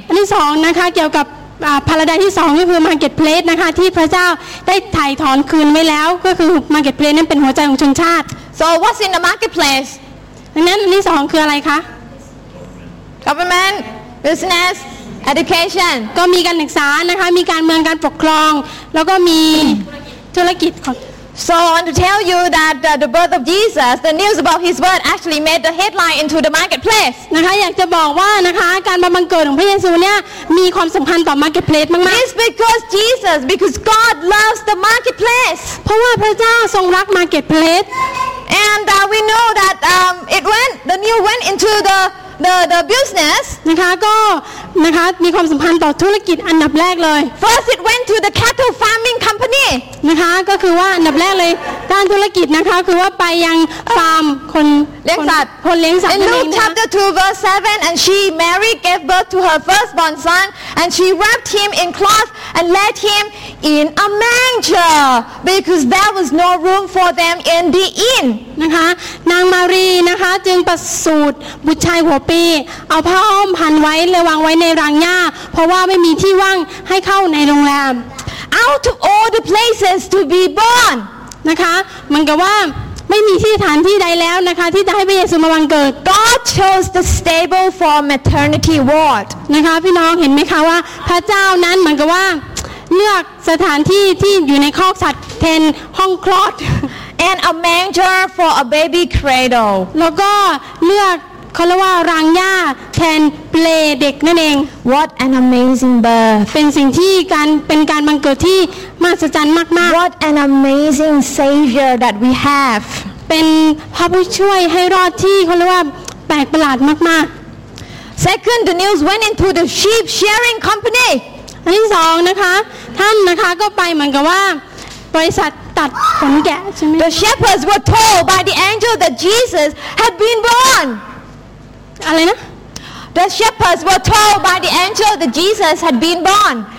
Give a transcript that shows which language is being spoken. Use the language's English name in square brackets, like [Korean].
[Thai] อันที่สองนะคะเกี่ยวกับparadigm ที่2ก็คือ marketplace นะคะที่พระเจ้าได้ถ่ายถอนคืนไว้แล้วก็คือ marketplace นั้นเป็นหัวใจของชนชาติ [English] So what's in the marketplace [Thai] นั้นอันที่2คืออะไรคะ [English] government business education [Thai] ก็มีการศึกษานะคะมีการเมืองการปกครองแล้วก็มีธุรกิจ [English] So I want to tell you that the birth of Jesus the news about his birth actually made the headline into the marketplace [Thai] นะคะอยากจะบอกว่านะคะการมาบังเกิดของพระเยซูเนี่ยมีความสำคัญต่อ marketplace มากๆ [English] It's because Jesus because God loves the marketplace [Thai] เพราะว่าพระเจ้าทรงรัก marketplace [English] and we know that it went the news went into the business [Thai] นะคะก็นะคะมีความสัมพันธ์ต่อธุรกิจอันดับแรกเลย [English] First it went to the cattle farming company [Thai] นะคะก็คือว่าอันดับแรกเลยด้านธุรกิจนะคะคือว่าไปยังฟาร์มคน เลี้ยงสัตว์คนเลี้ยงสัตว์ นั่นเองนะ [English] In Luke chapter 2 verse 7 and she Mary gave birth to her firstborn son and she wrapped him in cloth and laid him in a manger because there was no room for them in the inn [Thai] นะคะนางมารีนะคะจึงประสูติบุตรชายหัวปีเอาผ้าอ้อมพันไว้และวางไว้ในรังหญ้าเพราะว่าไม่มีที่ว่างให้เข้าในโรงแรม [English] Out of all the places to be born [Thai] นะคะมันก็ว่าไม่มีที่ฐานที่ใดแล้วนะคะที่จะให้พระเยซูมาบังเกิด [English] God chose the stable for maternity ward [Thai] นะคะพี่น้องเห็นไหมคะว่าพระเจ้านั้นเหมือนกับว่าเลือกสถานที่ที่อยู่ในคอกสัตว์แทนห้องคลอด [English] and a manger for a baby cradle [Thai] แล้วก็เลือกเขาเรียกว่ารังหญ้าแทนเปลเด็กนั่นเอง [English] What an amazing birth [Thai] เป็นสิ่งที่การเป็นการบังเกิดที่มหัศจรรย์มากๆ [English] What an amazing savior that we have [Thai] เป็นพระผู้ช่วยให้รอดที่เขาเรียกว่าแปลกประหลาดมาก [English] ๆ Second the news went into the sheep shearing company [Thai] อันที่สองนะคะท่านนะคะก็ไปเหมือนกับว่าบริษัทตัดขนแกะใช่ไหม [English] The shepherds were told by the angel that Jesus had been born [Thai] อะไรนะ [English] The shepherds were told by the angel that Jesus had been born